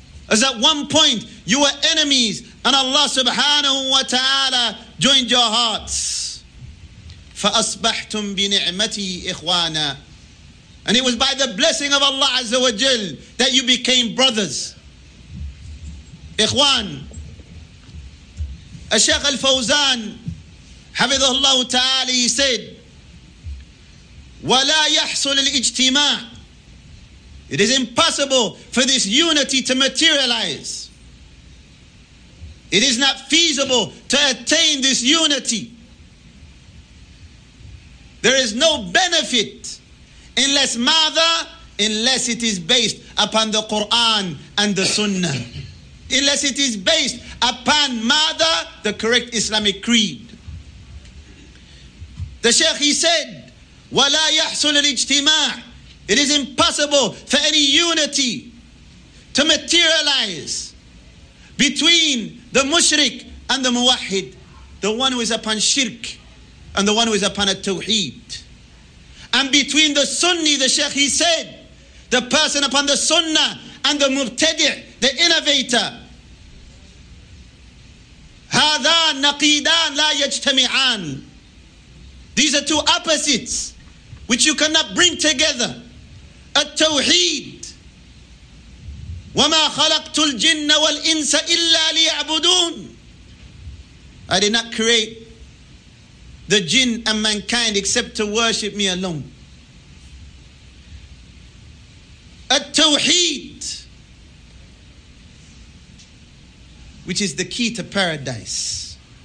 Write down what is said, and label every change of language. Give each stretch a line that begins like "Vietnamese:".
English: As at one point you were enemies and Allah subhanahu wa ta'ala joined your hearts.
Arabic: فَأَصْبَحْتُمْ بِنِعْمَتِهِ إِخْوَانًا.
English: And it was by the blessing of Allah Azza wa Jal that you became brothers.
Arabic: إخوان. الشيخ الفوزان حفظه الله تعالى,
English: he said,
Arabic: وَلَا يَحْصُلِ الْإِجْتِمَاعِ.
English: It is impossible for this unity to materialize. It is not feasible to attain this unity. There is no benefit unless
Arabic: ماذا?
English: Unless it is based upon the Quran and the Sunnah. Unless it is based upon
Arabic: ماذا?
English: The correct Islamic creed. The Shaykh, he said,
Arabic: وَلَا يَحْصُلُ الْإِجْتِمَاعِ.
English: It is impossible for any unity to materialize between the mushrik and the muwahid, the one who is upon shirk and the one who is upon a tawheed. And between the sunni, the shaykh, he said, the person upon the sunnah and the mubtadi', the innovator.
Arabic: هَذَان نَقِيدَان لَا يَجْتَمِعَان.
English: These are two opposites which you cannot bring together.
Arabic: التوحيد وما خلقت الجن والإنس إلا ليعبدون.
English: I did not create the jinn and mankind except to worship me alone.
Arabic: التوحيد,
English: which is the key to paradise.